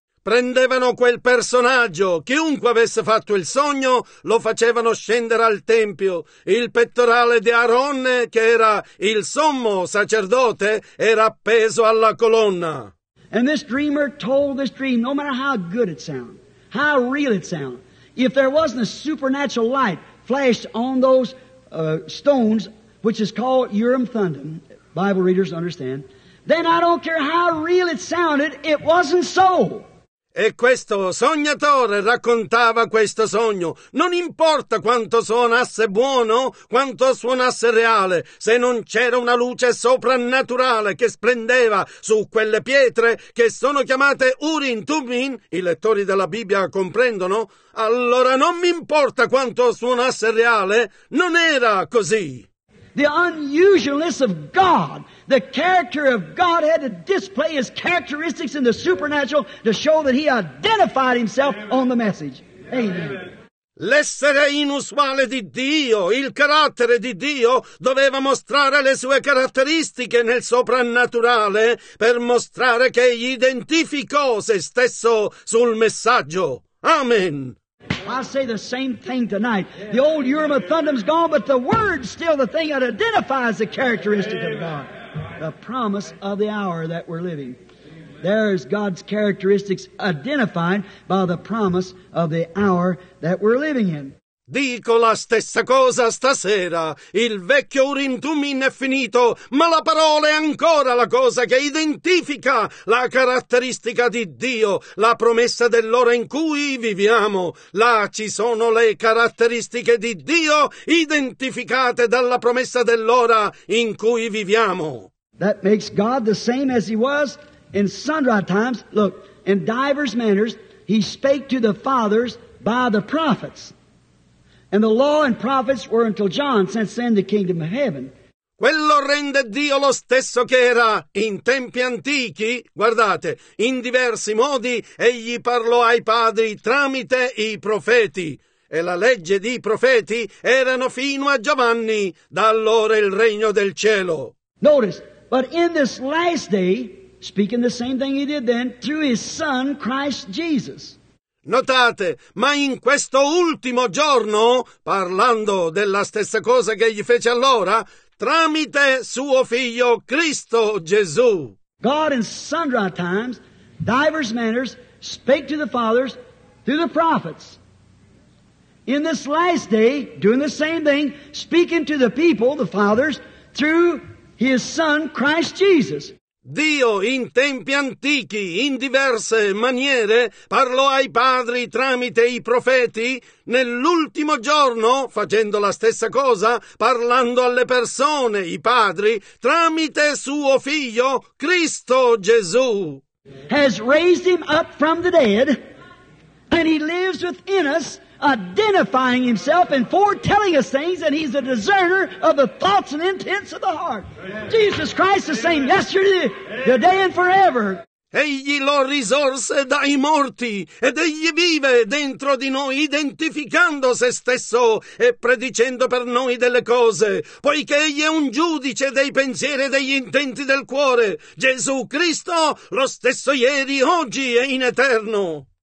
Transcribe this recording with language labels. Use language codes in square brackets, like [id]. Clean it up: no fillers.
[it] Prendevano quel personaggio, chiunque avesse fatto il sogno, lo facevano scendere al tempio. Il pettorale di Aronne, che era il sommo sacerdote, era appeso alla colonna. [en] And this dreamer told this dream, no matter how good it sounded, how real it sounded, if there wasn't a supernatural light flesh on those stones, which is called Urim Thummim. Bible readers understand. Then I don't care how real it sounded, it wasn't so. [it] E questo sognatore raccontava questo sogno. Non importa quanto suonasse buono, quanto suonasse reale, se non c'era una luce soprannaturale che splendeva su quelle pietre che sono chiamate Urim Thummim, i lettori della Bibbia comprendono, allora non mi importa quanto suonasse reale, non era così. [en] The unusualness of God, the character of God, had to display His characteristics in the supernatural to show that He identified Himself on the message. Amen. [it] L'essere inusuale di Dio, il carattere di Dio, doveva mostrare le sue caratteristiche nel soprannaturale per mostrare che Egli identificò se stesso sul messaggio. Amen. [en] I say the same thing tonight. The old Urim and Thummim's gone, but the Word's still the thing that identifies the characteristic of God. The promise of the hour that we're living. There's God's characteristics identified by the promise of the hour that we're living in. [it] Dico la stessa cosa stasera. Il vecchio Urim Thummim è finito, ma la parola è ancora la cosa che identifica la caratteristica di Dio, la promessa dell'ora in cui viviamo. Là ci sono le caratteristiche di Dio identificate dalla promessa dell'ora in cui viviamo. [en] That makes God the same as He was in sundry times. Look, in divers manners, He spake to the fathers by the prophets. And the law and prophets were until John, since then the kingdom of heaven. [it] Quello rende Dio lo stesso che era in tempi antichi. Guardate, in diversi modi egli parlò ai padri tramite i profeti. E la legge di profeti erano fino a Giovanni, da allora il regno del cielo. [en] Notice, but in this last day, speaking the same thing he did then, through his son Christ Jesus. [it] Notate, ma in questo ultimo giorno, parlando della stessa cosa che gli fece allora, tramite suo figlio Cristo Gesù. [en] God in sundry times, divers manners, spake to the fathers through the prophets. In this last day, doing the same thing, speaking to the people, the fathers, through his son Christ Jesus. [it] Dio, in tempi antichi, in diverse maniere, parlò ai padri tramite i profeti, nell'ultimo giorno, facendo la stessa cosa, parlando alle persone, i padri, tramite suo figlio, Cristo Gesù. [en] Has raised him up from the dead, and he lives within us, identifying himself and foretelling us things, and he's a discerner of the thoughts and intents of the heart. Amen. Jesus Christ the same yesterday, today, and forever. [it] Egli lo risorse dai morti, ed egli vive dentro di noi, identificando se stesso e predicendo per noi delle cose, poiché egli è un giudice dei pensieri e degli intenti del cuore. Gesù Cristo, lo stesso ieri, oggi e in eterno.